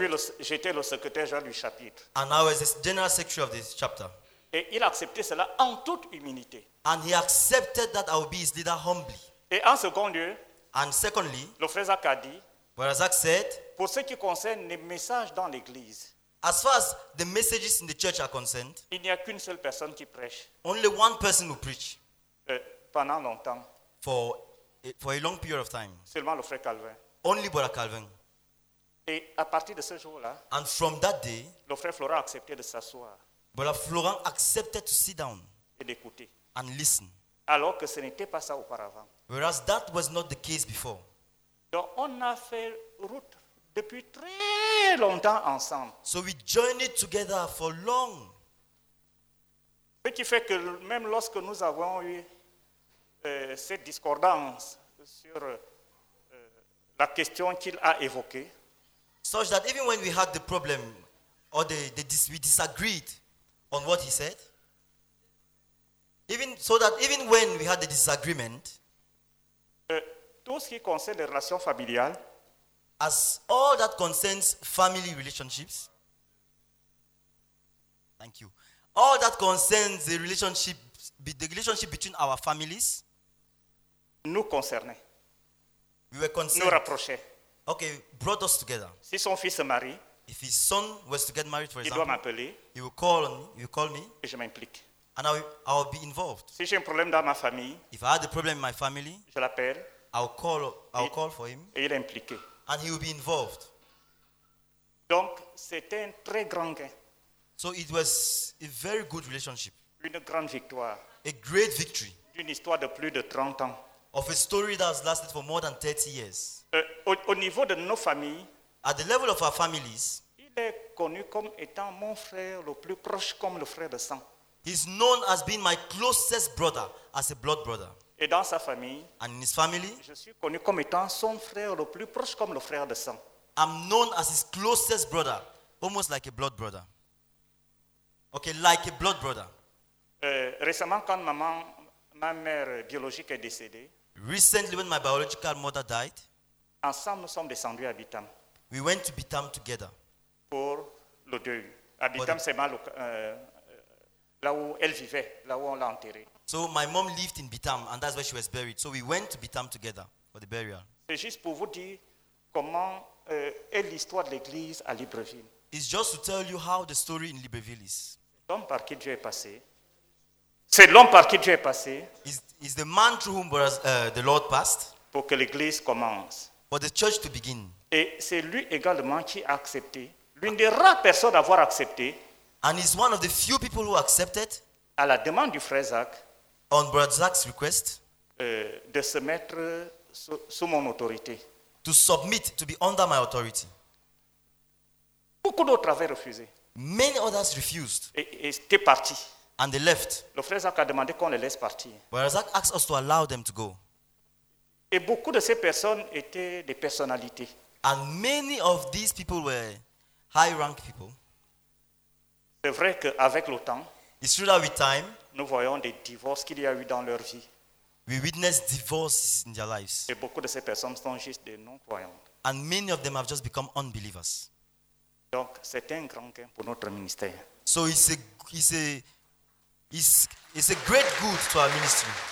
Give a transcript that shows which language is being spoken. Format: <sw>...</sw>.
<fr>Et puis j'étais le secrétaire général du chapitre.</fr> <en>And I was the general secretary of this chapter.</en> <fr>Et il acceptait cela en toute humilité.</fr> <en>And he accepted that I would be his leader humbly.</en> <fr>Et en second lieu,</fr> <en>and secondly,</en> <fr>le frère Zach a dit,</fr> <en>Brother Zach said,</en> <fr>pour ce qui concerne les messages dans l'église,</fr> <en>as far as the messages in the church are concerned,</en> <fr>il n'y a qu'une seule personne qui prêche.</fr> <en>Only one person will preach.</en> <fr>Pendant longtemps.</fr> <en>For a long period of time.</en> <fr>Seulement le frère Calvin.</fr> <en>Only Brother Calvin.</en> <fr>Et à partir de ce jour-là,</fr> <en>and from that day,</en> <fr>le frère Florent acceptait de s'asseoir.</fr> <en>Brother Florent accepted to sit down.</en> <fr>Et d'écouter.</fr> <en>And listen.</en> <fr>Alors que ce n'était pas ça auparavant.</fr> <en>Whereas that was not the case before.</en> <fr>Donc on a fait route depuis très longtemps ensemble.</fr> <en>So we journeyed together for long.</en> <fr>Ce qui fait que même lorsque nous avons eu cette discordance sur la question qu'il a évoquée.</fr> <en>Such that even when we had the problem or we disagreed on what he said. Even when we had the disagreement,</en> <fr>tout ce qui concerne les relations familiales,</fr> <en>as all that concerns family relationships, thank you, all that concerns the relationship between our families,</en> <fr>nous concernait.</fr> <en>We were concerned.</en> <fr>Nous rapprochait.</fr> <en>Okay, brought us together.</en> <fr>Si son fils se marie,</fr> <en>if his son was to get married, for</en> <fr>il</fr> <en>example,</en> <fr>doit m'appeler,</fr> <en>he will call on me, he will call me,</en> <fr>et je m'implique.</fr> <en>And I'll be involved.</en> <fr>Si j'ai un problème dans ma famille,</fr> <en>if I had a problem in my family,</en> <fr>je l'appelle,</fr> <en>I'll call for him.</en> <fr>Et il est impliqué.</fr> <en>And he will be involved.</en> <fr>Donc, c'était un très grand gain.</fr> <en>So it was a very good relationship.</en> <fr>Une grande victoire.</fr> <en>A great victory.</en> <fr>Une histoire de plus de 30 ans.</fr> <en>Of a story that has lasted for more than 30 years.</en> <fr>Au niveau de nos familles,</fr> <en>at the level of our families,</en> <fr>il est connu comme étant mon frère le plus proche, comme le frère de sang.</fr> <en>He's known as being my closest brother, as a blood brother.</en> <fr>et dans sa famille,</fr> <en>and in his family,</en> <fr>je suis connu comme étant son frère le plus proche, comme le frère de sang.</fr> <en>I'm known as his closest brother, almost like a blood brother. Okay, like a blood brother.</en> <fr>Récemment, quand ma mère biologique est décédée,</fr> <en>recently when my biological mother died,</en> <fr>ensemble nous sommes descendus à Bitam.</fr> <en>We went to Bitam together.</en> <fr>Pour le deuil. À Bitam, c'est mal là où elle vivait, là où on l'a enterrée.</fr> <en>So my mom lived in Bitam, and that's where she was buried. So we went to Bitam together for the burial.</en> <fr>C'est juste pour vous dire comment est l'histoire de l'Église à Libreville.</fr> <en>It's just to tell you how the story in Libreville is.</en> <fr>L'homme par qui Dieu est passé. C'est l'homme par qui Dieu est passé.</fr> <en>Is the man through whom the Lord passed.</en> <fr>Pour que l'Église commence.</fr> <en>For the church to begin.</en> <fr>Et c'est lui également qui a accepté. L'une des rares personnes à avoir accepté.</fr> <en>And he's one of the few people who accepted.</en> <fr>À la demande du frère Zach.</fr> <en>On Brother Zach's request.</en> <fr>De se mettre sous mon autorité.</fr> <en>To submit, to be under my authority.</en> <fr>Beaucoup d'autres avaient refusé.</fr> <en>Many others refused.</en> <fr>Et étaient partis.</fr> <en>And they left.</en> <fr>Le frère Zach a demandé qu'on les laisse partir.</fr> <en>Brother Zach asked us to allow them to go.</en> <fr>Et beaucoup de ces personnes étaient des personnalités.</fr> <en>And many of these people were high-ranked people.</en> <fr>C'est vrai qu'avec le temps,</fr> <en>it's true that with time,</en> <fr>nous voyons des divorces qu'il y a eu dans leur vie.</fr> <en>We witness divorces in their lives.</en> <fr>Et beaucoup de ces personnes sont juste des non-croyants.</fr> <en>And many of them have just become unbelievers.</en> <fr>Donc, c'est un grand gain pour notre ministère.</fr> <en>So it's a great good to our ministry.</en>